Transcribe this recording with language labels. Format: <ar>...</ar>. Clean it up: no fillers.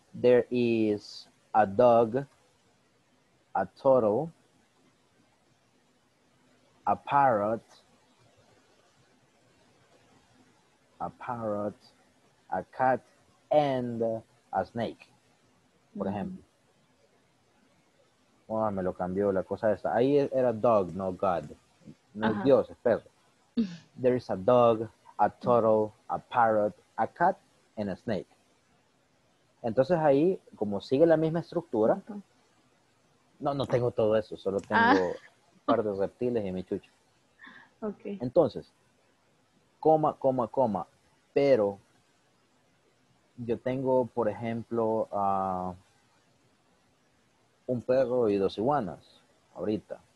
<en>There is a dog, a turtle, a parrot, a cat, and a snake, por mm-hmm.</en> <es>ejemplo. Oh, me lo cambió la cosa esta. Ahí era dog, no God. No uh-huh. es Dios, es perro.</es> <en>There is a dog, a turtle, a parrot, a cat, and a snake.</en> <es>Entonces ahí, como sigue la misma estructura, no tengo todo eso, solo tengo un par de reptiles y mi chucho. Okay. Entonces, coma, pero... Yo tengo, por ejemplo, un perro y 2 iguanas ahorita.</es>